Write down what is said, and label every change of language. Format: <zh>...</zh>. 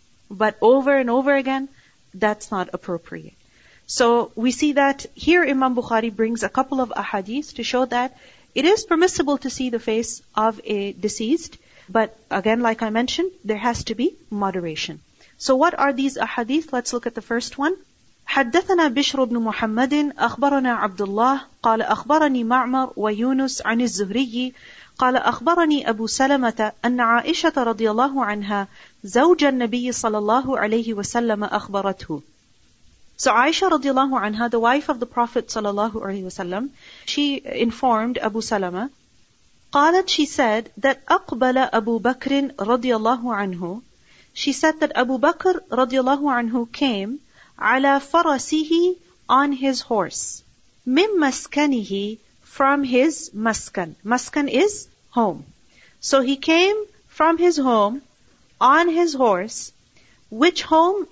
<en>But over and over again, that's not appropriate. So we see that here Imam Bukhari brings a couple of ahadith to show that it is permissible to see the face of a deceased. But again, like I mentioned, there has to be moderation. So what are these ahadith? Let's look at the first one.</en> <ar>حدثنا بشر بن محمد أخبرنا عبد الله قال أخبرني معمر ويونس عن الزهري قال أخبرني أبو سلمة أن عائشة رضي الله عنها زوج النبي صلى الله عليه وسلم أخبرته.</ar> <en>So Aisha رضي الله عنها, the wife of the Prophet صلى الله عليه وسلم, she informed Abu Salama. قالت, she said that</en> <ar>أقبل أبو بكر رضي الله عنه.</ar> <en>She said that Abu Bakr رضي الله عنه came</en> <ar>على فرسه,</ar> <en>on his horse.</en> <ar>من مسكنه,</ar> <en>from his maskan. Maskan is home. So he came from his home on his horse, which home?</en>